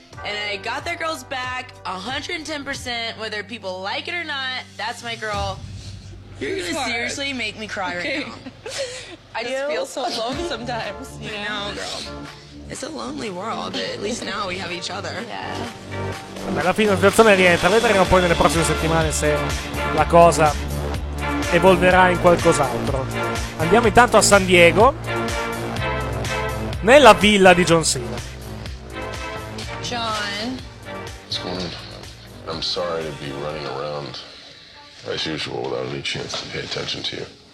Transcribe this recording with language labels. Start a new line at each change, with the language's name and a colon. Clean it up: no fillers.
English: And I got that girl's back 110%, whether people like it or not. That's my girl. You're gonna seriously make me cry right now. I just feel so alone sometimes. You know, girl. It's a lonely world, but at least now we have each other. Yeah.
Italian: Alla fine la situazione rientra. Vedremo poi nelle prossime settimane se la cosa evolverà in qualcos'altro. Andiamo intanto a San Diego, nella villa di John Cena.
English: John. What's going on? I'm sorry to be running around as usual without any chance to pay attention to you.